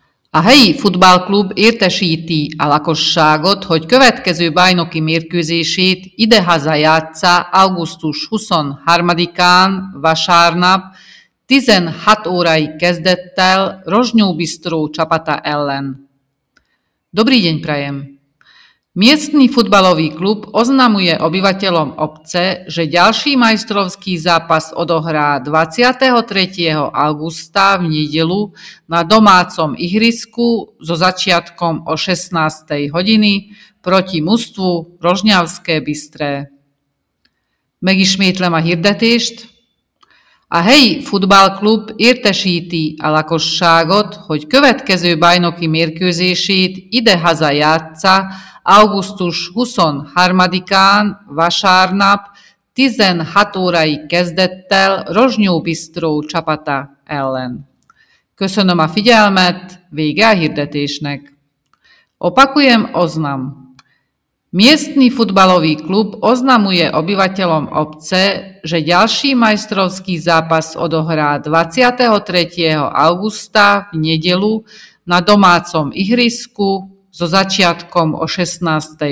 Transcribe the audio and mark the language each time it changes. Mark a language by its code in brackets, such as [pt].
[hu] A helyi futballklub értesíti a lakosságot, hogy következő bajnoki mérkőzését idehaza játssza augusztus 23-án vasárnap 16 órai kezdettel Rozsnyó Bisztró csapata ellen. [sk] Dobrý deň prajem! Miestny futbalový klub oznamuje obyvateľom obce, že ďalší majstrovský zápas odohrá 23. augusta v nedeľu na domácom ihrisku so začiatkom o 16. hodiny proti mužstvu Rožňavské Bystré. [hu] Megismétlem a hirdetést. A helyi futballklub értesíti a lakosságot, hogy következő bajnoki mérkőzését idehaza játssza augusztus 23-án vasárnap 16 órai kezdettel Rozsnyó Bisztró csapata ellen. Köszönöm a figyelmet, vége a hirdetésnek. [sk] Opakujem oznam. Miestny futbalový klub oznamuje obyvateľom obce, že ďalší majstrovský zápas odohrá 23. augusta v nedeľu na domácom ihrisku so začiatkom o 16.